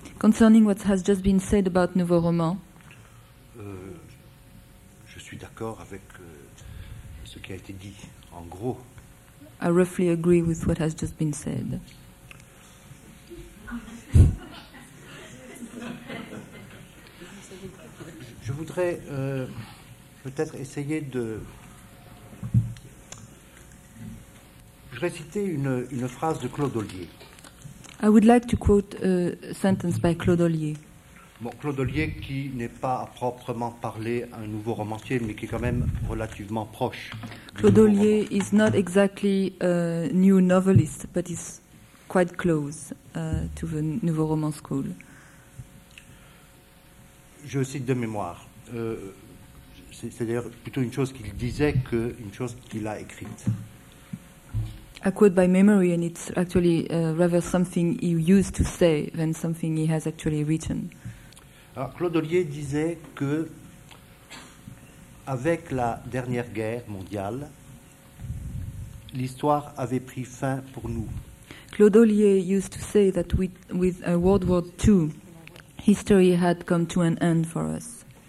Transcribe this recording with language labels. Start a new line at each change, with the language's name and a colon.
English: Concerning what has just been said about nouveau roman.
French: Je suis d'accord avec ce qui a été dit, en gros.
English: I roughly agree with what has just been said.
French: Je voudrais peut-être essayer de... Je vais citer une phrase de Claude Ollier.
English: I would like to quote a sentence by Claude Ollier.
French: Bon, Claude Ollier, qui n'est pas à proprement parler un nouveau romancier, mais qui est quand même relativement proche.
English: Claude Ollier is not exactly a new novelist, but is quite close to the nouveau roman school.
French: Je cite de mémoire. C'est d'ailleurs plutôt une chose qu'il disait qu'une chose qu'il a écrite.
English: I quote by memory, and it's actually rather something he used to say than something he has actually written.
French: Alors, Claude Ollier disait que, avec la dernière guerre mondiale, l'histoire avait pris fin pour nous.
English: Claude Ollier used to say that with World War II, history had come to an end for us.